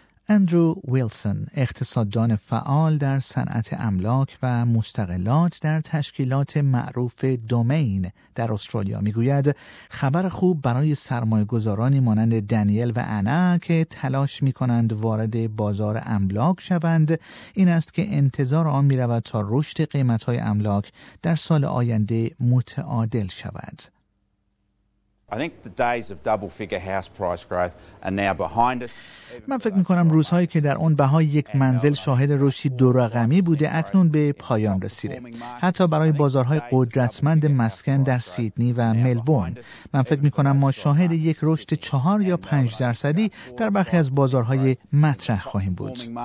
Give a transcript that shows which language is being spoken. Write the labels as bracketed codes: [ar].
[fa] اندرو ویلسون، اقتصاددان فعال در صنعت املاک و مستغلات در تشکیلات معروف دومین در استرالیا، میگوید خبر خوب برای سرمایه‌گذارانی مانند دانیل و آنا که تلاش می‌کنند وارد بازار املاک شوند این است که انتظار آن می‌رود تا رشد قیمت‌های املاک در سال آینده متعادل شود. [en] I think the days of double-figure house price growth are now behind us. [fa] من فکر می‌کنم روزهایی که در اون بهای یک منزل شاهد رشدی دو رقمی بوده اکنون به پایان رسیده. حتی برای بازارهای قدرتمند مسکن در سیدنی و ملبورن، من فکر می‌کنم ما شاهد یک رشد 4 یا 5 درصدی در برخی از بازارهای مطرح خواهیم بود.